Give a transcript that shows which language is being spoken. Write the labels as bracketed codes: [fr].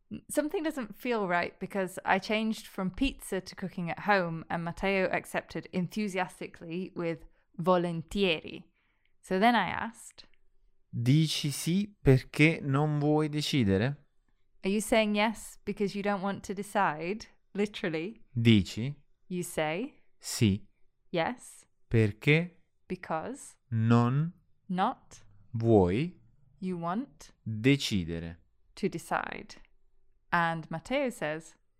[en] Something doesn't feel right because I changed from pizza to cooking at home and Matteo accepted enthusiastically with volentieri. So then I asked. [it] Dici sì perché non vuoi decidere? [en] Are you saying yes because you don't want to decide? Literally. [it] Dici. [en] You say. [it] Sì. [en] Yes. [it] Perché. [en] Because. [it] Non. [en] Not. [it] Vuoi. [en] You want. [it] Decidere. [en] To decide. And Matteo says.